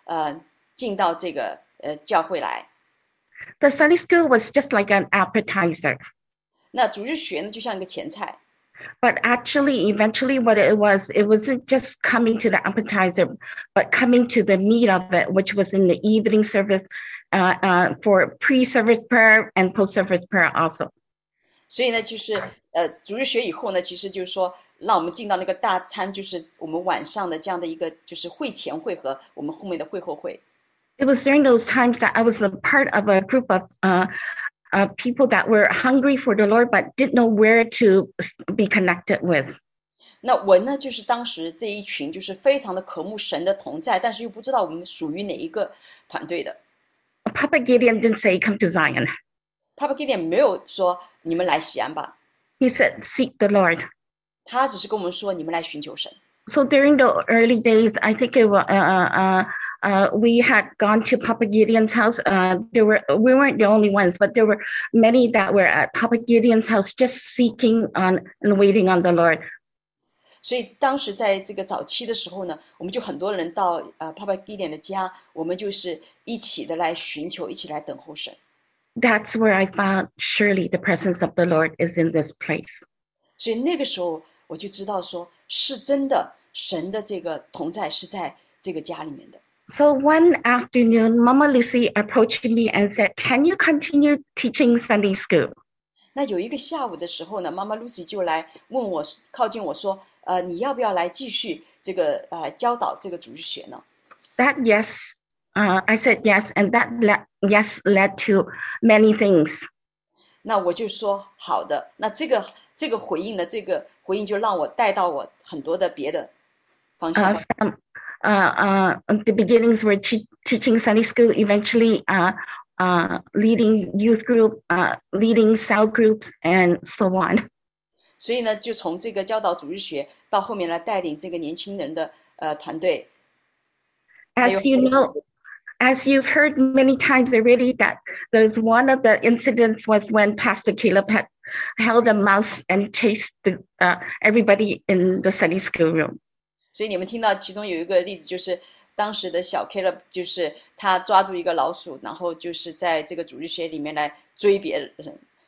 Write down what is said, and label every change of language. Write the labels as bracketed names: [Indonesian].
[Chinese] 所以当时的主日学就是想要来能够接触到那些在加拿大生的华人，让他们能够进到这个教会来。 [English] The Sunday School was just like an appetizer. [Chinese] 那主日学呢，就像一个前菜。 [English] But actually, eventually what it was, it wasn't just coming to the appetizer, but coming to the meat of it, which was in the evening service, for pre-service prayer and post-service prayer also. [Chinese] 所以呢，就是主日学以后呢，其实就是说，让我们进到那个大餐，就是我们晚上的这样的一个，就是会前会和我们后面的会后会。 [English] It was during those times that I was a part of a group of people that were hungry for the Lord but didn't know where to be connected with. [Chinese] 那我呢，就是当时这一群，就是非常的渴慕神的同在，但是又不知道我们属于哪一个团队的。 [English] Papa Gideon didn't say, "Come to Zion." [Chinese] Papa Gideon 没有说你们来锡安吧。 [English] He said, "Seek the Lord." [Chinese] 他只是跟我们说你们来寻求神。 [English] So during the early days, I think it was we had gone to Papa Gideon's house. We weren't the only ones, but there were many that were at Papa Gideon's house just seeking on and waiting on the Lord. [Chinese] 所以当时在这个早期的时候呢，我们就很多人到Papa Gideon 的家，我们就是一起的来寻求，一起来等候神。 [English] That's where I found surely the presence of the Lord is in this place. [Chinese] 所以那个时候我就知道说是真的，神的这个同在是在这个家里面的。 [English] So one afternoon, Mama Lucy approached me and said, "Can you continue teaching Sunday school?" [Chinese] 那有一个下午的时候呢，妈妈 Lucy 就来问我，靠近我说，你要不要来继续这个教导这个主日学呢 [English] ？That yes, I said yes, and that yes led to many things. [Chinese] 那我就说好的，那这个回应呢，这个回应就让我带到我很多的别的方向。 [English] The beginnings were teaching Sunday school, eventually leading youth group, leading cell groups, and so on. [Chinese] 所以呢，就从这个教导主日学到后面来带领这个年轻人的团队。 [English] As you know, as you've heard many times already, that there's one of the incidents was when Pastor Caleb had held a mouse and chased the everybody in the Sunday school room. [Chinese] 所以你们听到其中有一个例子，就是当时的小 Caleb， 就是他抓住一个老鼠，然后就是在这个主日学里面来追别人。